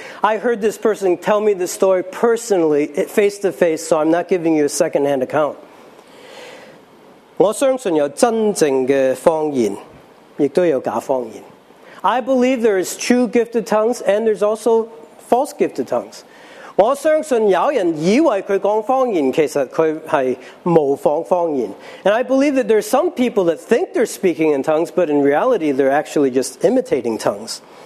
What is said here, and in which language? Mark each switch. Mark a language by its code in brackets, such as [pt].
[en] I heard this person tell me the story personally, face to face, so I'm not giving you a second-hand account. [yue] 我相信有真正嘅方言，亦都有假方言。 [en] I believe there is true gifted tongues and there's also false gifted tongues. [yue] 我相信有人以為他講方言，其實他是模仿方言。 [en] And I believe that there are some people that think they're speaking in tongues, but in reality, they're actually just imitating tongues.